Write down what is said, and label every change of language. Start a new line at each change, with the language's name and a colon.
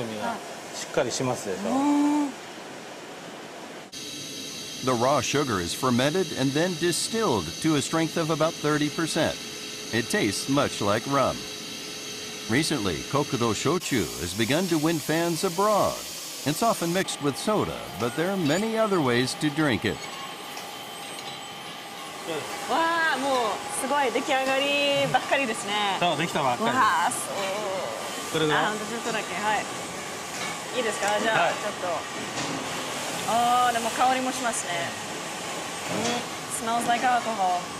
Japanese: やっぱり黒砂糖の風味がしっかりしますでしょ?
English: The raw sugar is fermented and then distilled to a strength of about 30%. It tastes much like rum. Recently, Kokuto Shochu has begun to win fans abroad. It's often mixed with soda, but there are many other ways to drink it.
Japanese: わあ、もうすごい出来上がりばっかりですね。そう、できたばっかり。わあ、そう。これぐらい。あ、ちょっとだけ、はい。いいですか?じゃあ、ちょっと。ああ、でも香りもしますね。
English: Smells like alcohol.